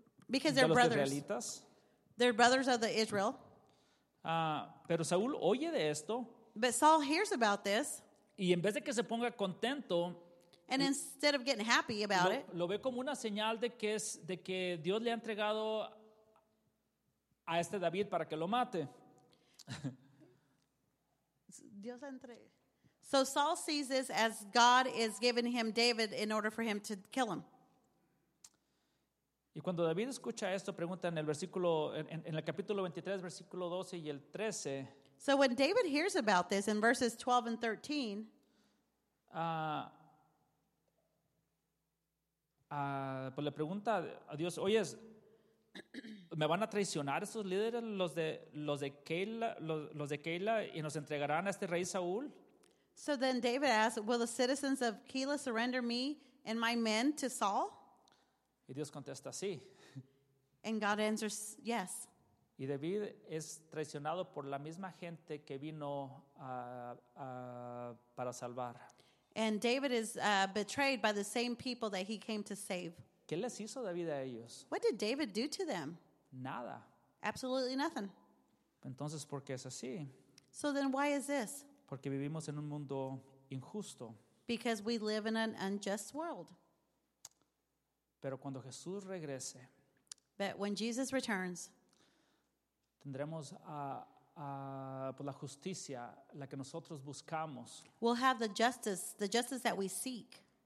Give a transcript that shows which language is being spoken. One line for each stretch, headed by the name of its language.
English: Because they're brothers.
Spanish: Israelitas.
English: They're brothers of the Israel.
Spanish: Pero Saúl oye de esto.
English: But Saul hears about this.
Spanish: Y en vez de que se ponga contento,
English: And instead of getting happy about it,
Spanish: lo ve como una señal de que es de que Dios le ha entregado a este David para que lo mate. Dios entre.
English: So Saul sees this as God is giving him David in order for him to kill him.
Spanish: Y cuando David escucha esto, pregunta en el versículo, en el capítulo 23, versículo 12 y el 13.
English: So when David hears about this in verses 12 and 13.
Spanish: Pues le pregunta a Dios, oye, ¿me van a traicionar esos líderes, los de Keila, y nos entregarán a este rey Saúl?
English: So then David asks, will the citizens of Keila surrender me and my men to Saul?
Spanish: Y Dios contesta, sí.
English: And God answers, yes.
Spanish: Y David es traicionado por la misma gente que vino para salvar.
English: And David is betrayed by the same people that he came to save.
Spanish: ¿Qué les hizo David a ellos?
English: What did David do to them?
Spanish: Nada.
English: Absolutely nothing.
Spanish: Entonces, ¿por qué es así?
English: So then why is this?
Spanish: Porque vivimos en un mundo injusto.
English: Because we live in an unjust world.
Spanish: Pero cuando Jesús regrese,
English: but when Jesus returns,
Spanish: tendremos por la justicia, la que nosotros buscamos.
English: We'll have the justice that we seek.